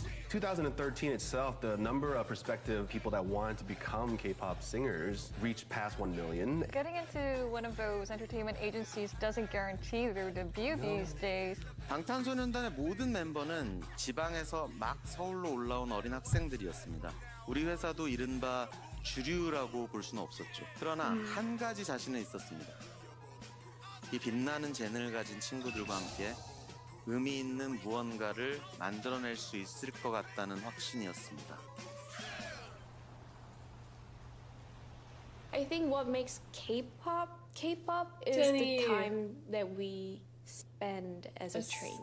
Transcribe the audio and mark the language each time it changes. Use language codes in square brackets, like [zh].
[en] 2013 itself, the number of prospective people that wanted to become K-pop singers reached past 1 million. Getting into one of those entertainment agencies doesn't guarantee their debut these days. [ko] 방탄소년단의 모든 멤버는 지방에서 막 서울로 올라온 어린 학생들이었습니다. 우리 회사도 이른바 주류라고 볼 수는 없었죠. 그러나 한 가지 자신은 있었습니다. 이 빛나는 재능을 가진 친구들과 함께 의미 있는 무언가를 만들어낼 수 있을 것 같다는 확신이었습니다. [en] I think what makes K-pop is Jenny. The time that we spend as a trainee.